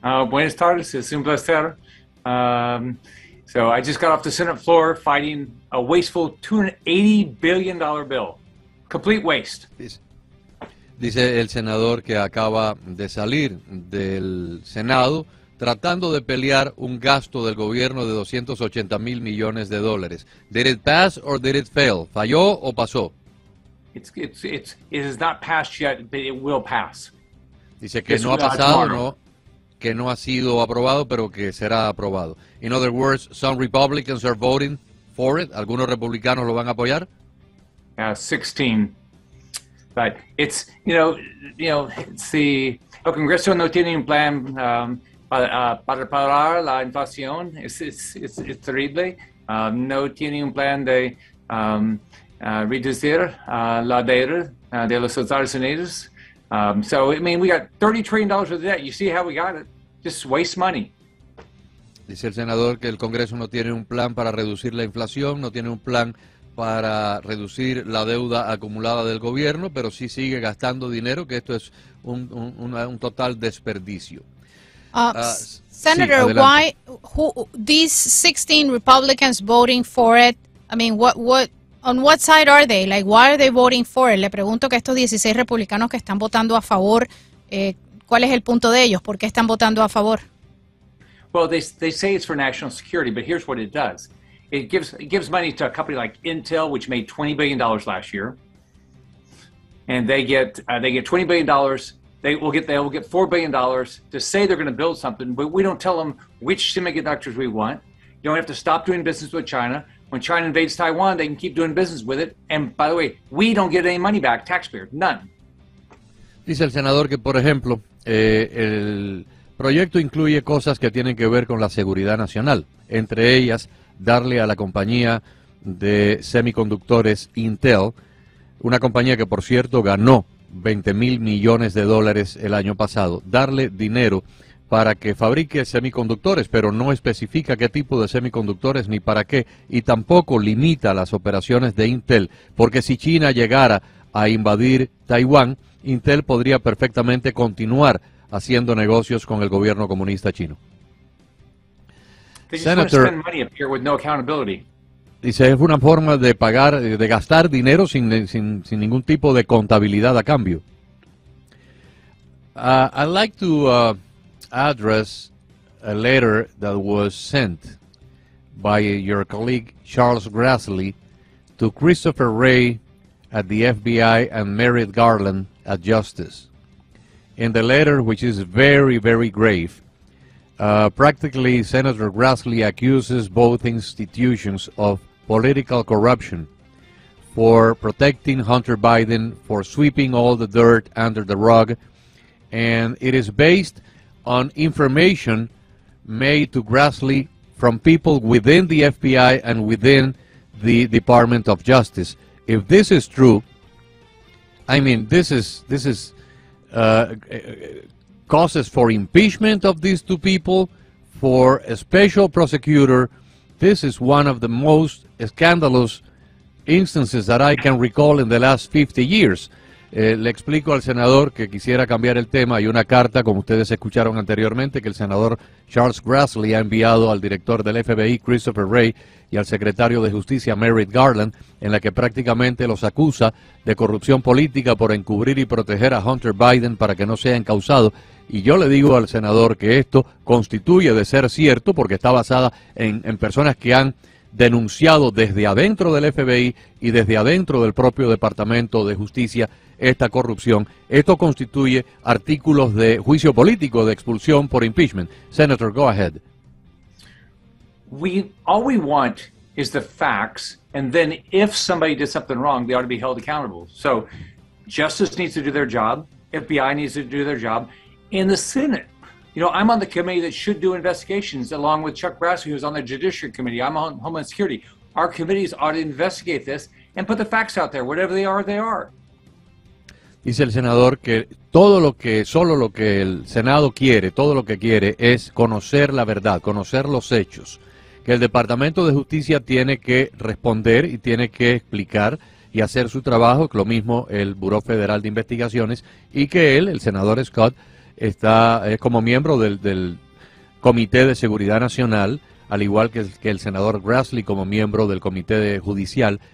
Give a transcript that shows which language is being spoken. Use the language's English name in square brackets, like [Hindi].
[Spanish] Buenas tardes. Es un placer. [English] So I just got off the Senate floor fighting a wasteful $280 billion bill. Complete waste. [Spanish] Dice el senador que acaba de salir del Senado tratando de pelear un gasto del gobierno de 280 mil millones de dólares. [English] Did it pass or did it fail? [Spanish] ¿Falló o pasó? [English] It has not passed yet, but it will pass. [Spanish] Dice que no ha pasado, no, que no ha sido aprobado, pero que será aprobado. [English] In other words, some Republicans are voting for it. [Spanish] ¿Algunos republicanos lo van a apoyar? 16. [English] But it's, you know, it's the, [Spanish] el Congreso no tiene un plan para parar la inflación. [English] It's terrible. [Spanish] No tiene un plan de reducir la deuda de los Estados Unidos. [English] So, I mean, we got $30 trillion worth of debt. You see how we got it. Just waste money. [Spanish] Dice el senador que el Congreso no tiene un plan para reducir la inflación, no tiene un plan para reducir la deuda acumulada del gobierno, pero sí sigue gastando dinero, que esto es un total desperdicio. [English] Senator, sí, why who these 16 Republicans voting for it? I mean, what side are they? Like, why are they voting for it? [Spanish] Le pregunto que estos 16 republicanos que están votando a favor, ¿cuál es el punto de ellos? ¿Por qué están votando a favor? [English] Well, they say it's for national security, but here's what it does. It gives money to a company like Intel, which made $20 billion last year, and they get $20 billion. They will get $4 billion to say they're going to build something, but we don't tell them which semiconductors we want. You don't have to stop doing business with China. When China invades Taiwan, they can keep doing business with it. And by the way, we don't get any money back, taxpayer, none. [Spanish] Dice el senador que, por ejemplo, el proyecto incluye cosas que tienen que ver con la seguridad nacional, entre ellas darle a la compañía de semiconductores Intel, una compañía que por cierto ganó 20 mil millones de dólares el año pasado, darle dinero para que fabrique semiconductores, pero no especifica qué tipo de semiconductores ni para qué, y tampoco limita las operaciones de Intel, porque si China llegara a invadir Taiwán, Intel podría perfectamente continuar haciendo negocios con el gobierno comunista chino. [English] Senator, spend money up here with no accountability. [Spanish] Dice, es una forma de pagar, de gastar dinero sin ningún tipo de contabilidad a cambio. [English] I'd like to address a letter that was sent by your colleague Charles Grassley to Christopher Wray at the FBI and Merrick Garland at Justice. In the letter, which is very, very grave, practically, Senator Grassley accuses both institutions of political corruption for protecting Hunter Biden, for sweeping all the dirt under the rug, and it is based on information made to Grassley from people within the FBI and within the Department of Justice. If this is true, I mean, this is causes for impeachment of these two people, for a special prosecutor. This is one of the most scandalous instances that I can recall in the last 50 years. [Spanish] Le explico al senador que quisiera cambiar el tema. Hay una carta, como ustedes escucharon anteriormente, que el senador Charles Grassley ha enviado al director del FBI, Christopher Wray, y al secretario de Justicia, Merrick Garland, en la que prácticamente los acusa de corrupción política por encubrir y proteger a Hunter Biden para que no sea encausado. Y yo le digo al senador que esto constituye de ser cierto, porque está basada en personas que han denunciado desde adentro del FBI y desde adentro del propio Departamento de Justicia esta corrupción. Esto constituye artículos de juicio político, de expulsión por impeachment. [English] Senator, go ahead. All we want is the facts, and then if somebody did something wrong, they ought to be held accountable. So justice needs to do their job, FBI needs to do their job, in the Senate. You know, I'm on the committee that should do investigations, along with Chuck Grassley, who's on the Judiciary Committee. I'm on Homeland Security. Our committees ought to investigate this and put the facts out there. Whatever they are, they are. [Spanish] Dice el senador que todo lo que, solo lo que el Senado quiere, todo lo que quiere es conocer la verdad, conocer los hechos. Que el Departamento de Justicia tiene que responder y tiene que explicar y hacer su trabajo, lo mismo el Buró Federal de Investigaciones, y que él, el senador Scott, está como miembro del Comité de Seguridad Nacional, al igual que el senador Grassley como miembro del Comité de Judicial.